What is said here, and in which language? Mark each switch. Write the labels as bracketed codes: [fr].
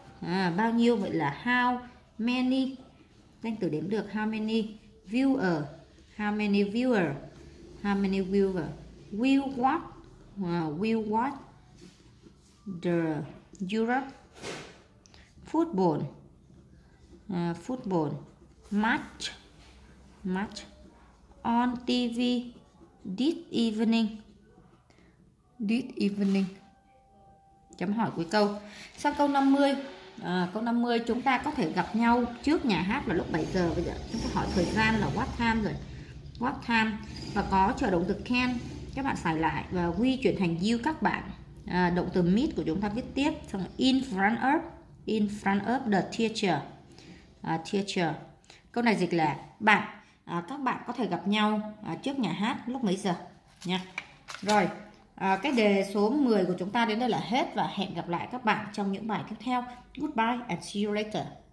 [vi] À, bao nhiêu vậy là [en] how many, [vi] danh từ đếm được, [en] how many viewer, how many viewer, how many viewer, will watch, will watch the Europe football, football match, match on TV this evening, this evening. [vi] Chấm hỏi cuối câu. Sau câu 50, câu 50 chúng ta có thể gặp nhau trước nhà hát là lúc 7 giờ. Bây giờ chúng ta hỏi thời gian là [en] what time [vi] rồi. [en] What time. [vi] Và có trợ động từ can, các bạn xài lại và we chuyển thành you các bạn. Động từ meet của chúng ta viết tiếp. Xong [en] in front of the teacher, teacher. [vi] Câu này dịch là bạn, các bạn có thể gặp nhau trước nhà hát lúc mấy giờ nha. Rồi. Cái đề số 10 của chúng ta đến đây là hết và hẹn gặp lại các bạn trong những bài tiếp theo. [en] Goodbye and see you later.